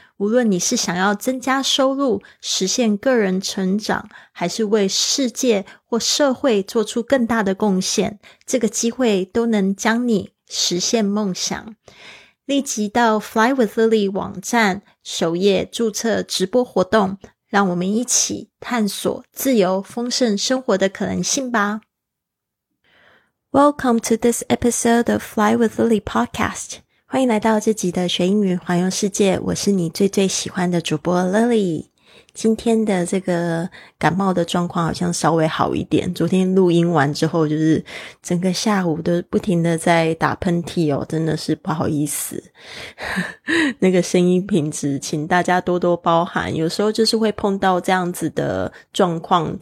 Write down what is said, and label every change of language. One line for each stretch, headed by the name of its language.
Chinese: 无论你是想要增加收入，实现个人成长，还是为世界或社会做出更大的贡献，这个机会都能将你实现梦想。立即到 Fly with Lily 网站首页注册直播活动，让我们一起探索自由丰盛生活的可能性吧。
English: Welcome to this episode of Fly with Lily podcast.
Chinese: 欢迎来到这集的学英语环游世界，我是你最最喜欢的主播 Lily。今天的这个感冒的状况好像稍微好一点，昨天录音完之后就是整个下午都不停的在打喷嚏哦，真的是不好意思那个声音品质请大家多多包涵，有时候就是会碰到这样子的状况。